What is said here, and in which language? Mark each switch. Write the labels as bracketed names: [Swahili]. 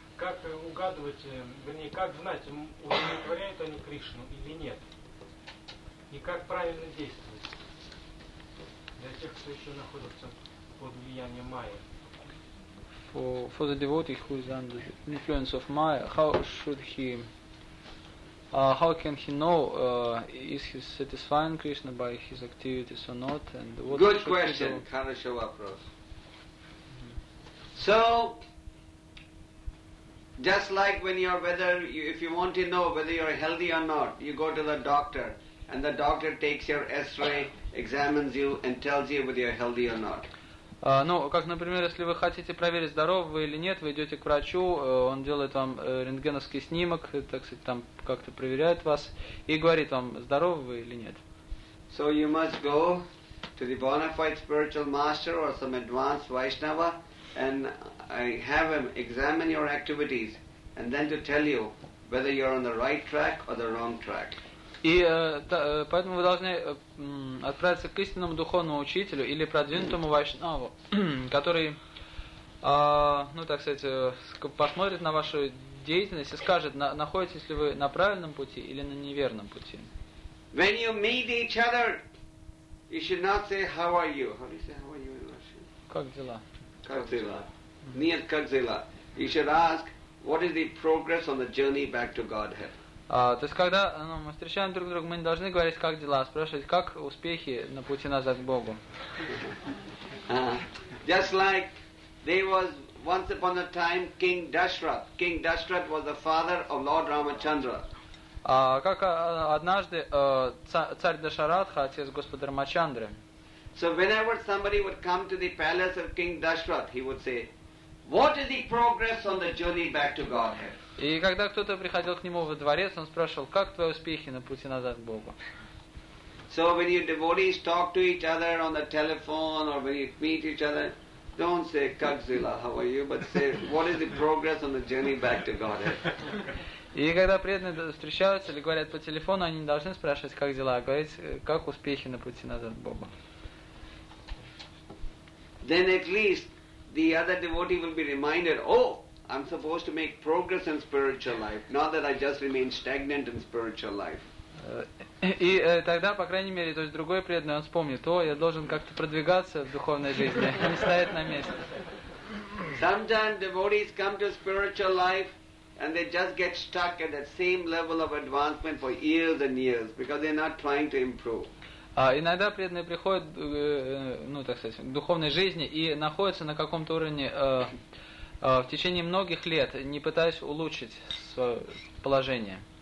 [Russian] Как угадывать, вернее, как знать, удовлетворяют они Кришну или нет? И как правильно действовать для тех, кто еще находится под влиянием майя? [English] For the devotee who is under the influence of Maya, how should he, how can he know, is he satisfying Krishna by his activities or not? And what good question, Karnasha Vapros. So, just like when you are if you want to know whether you are healthy or not, you go to the doctor, and the doctor takes your S-ray, examines you, and tells you whether you are healthy or not. [Russian] Ну, как, например, если вы хотите проверить, здоровы вы или нет, вы идете к врачу, он делает вам рентгеновский снимок, так сказать, там как-то проверяет вас и говорит вам, здоровы вы или нет. [English] So you must go to the bona fide spiritual master or some advanced Vaishnava and have him examine your activities and then to tell you whether you're on the right track or the wrong track. [Russian] И поэтому вы должны отправиться к истинному духовному учителю или продвинутому вайшнаву, который, ну так сказать, посмотрит на вашу деятельность и скажет, находитесь ли вы на правильном пути или на неверном пути. [English] When you meet each other, you should not say, how are you? How do you say, how are you in Russian? [Russian] Как дела? Как дела? Нет, как дела. [English] You should ask, what is the progress on the journey back to Godhead? [Russian] То есть, когда мы встречаем друг друга, мы не должны говорить, как дела, а спрашивать, как успехи на пути назад к Богу. [English] Just like there was once upon a time King Dashrath. King Dashrath was the father of Lord Ramachandra. [Russian] Как однажды царь Дашаратха, отец Господа Рамачандры. [English] So whenever somebody would come to the palace of King Dashrath, he would say, what is the progress on the journey back to Godhead? [Russian] И когда кто-то приходил к нему во дворец, он спрашивал, как твои успехи на пути назад к Богу? [English] So when you devotees talk to each other on the telephone or when you meet each other, don't say, [Russian] как дела, [English] how are you, but say, what is the progress on the journey back to Godhead? [Russian] И когда преданные встречаются или говорят по телефону, они не должны спрашивать, как дела, а говорить, как успехи на пути назад к Богу. [English] Then at least the other devotee will be reminded, oh, I'm supposed to make progress in spiritual life, not that I just remain stagnant in spiritual life. [Russian] И тогда, по крайней мере, то есть другой преданный, он вспомнит, о, я должен как-то продвигаться в духовной жизни, не стоять на месте. [English] Sometimes devotees come to spiritual life and they just get stuck at that same level of advancement for years and years because they're not trying to improve. [Russian] Иногда преданные приходят, ну, так сказать, в духовной жизни и находятся на каком-то уровне в течение многих лет, не пытаясь улучшить свое положение.